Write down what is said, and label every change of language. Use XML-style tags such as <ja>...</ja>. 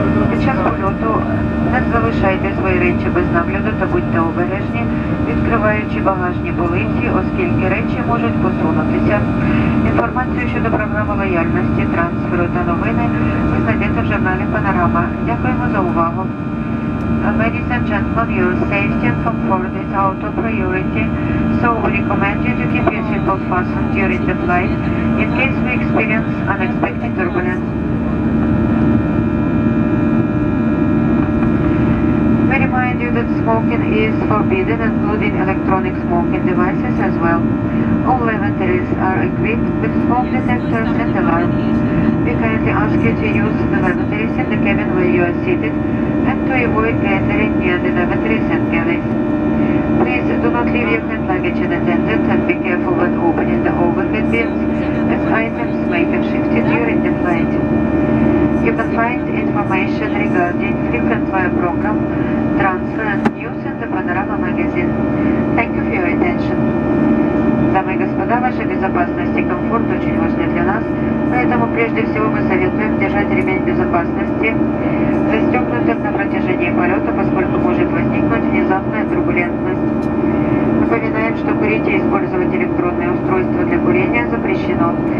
<uk>Під час польоту не залишайте свої речі без нагляду та будьте обережні, відкриваючи багажні полиці, оскільки речі можуть посунутися. Інформацію щодо програми лояльності, трансферу та новини ви знайдете в журналі «Панорама». Дякуємо за увагу.</uk> <en>Ladies and gentlemen, your safety and comfort is our top priority, so we recommend you to keep your seatbelt fastened during the flight in case we experience unexpected turbulence. We remind you that smoking is forbidden, including electronic smoking devices as well. All lavatories are equipped with smoke detectors and alarms. We kindly ask you to use the lavatories in the cabin where you are seated and to avoid gathering near the lavatories and galleys. Please do not leave your hand luggage unattended and be careful when opening the overhead bins as items may have shifted during the flight. You can find information regarding frequent flyer program, transfer and news in the Panorama magazine. Thank you for your attention.</en> <ru>Дамы и господа, ваша безопасность и комфорт очень важны для нас, поэтому прежде всего мы советуем держать ремень безопасности застегнутым на протяжении полета, поскольку может возникнуть внезапная турбулентность. Напоминаем, что курить и использовать электронные устройства для курения запрещено.</ru>